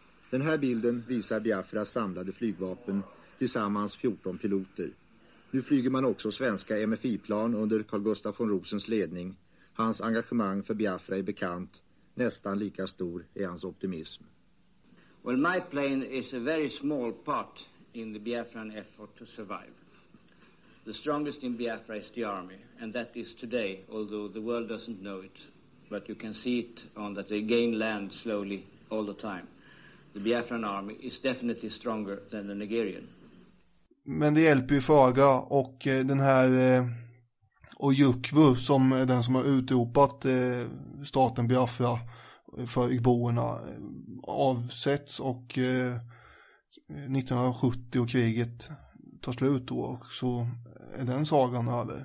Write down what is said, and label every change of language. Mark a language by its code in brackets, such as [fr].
[sv] Den här bilden visar Biafras samlade flygvapen tillsammans 14 piloter. Nu flyger man också svenska MFI-plan under Carl Gustaf von Rosens ledning. Hans engagemang för Biafra är bekant. Nästan lika stor är hans optimism. [en] Well, my plane is a very small part in the Biafran effort to survive. The strongest in Biafra is the army, and that is today, although the world doesn't know it. But you can see it on that they gain land slowly all the time. The Biafran army is definitely stronger than the Nigerian. [sv] Men det hjälper ju föga, och den här Ojukwu, som är den som har utropat staten Biafra för igboerna, avsätts och 1970 och kriget tar slut då, och så är den sagan över.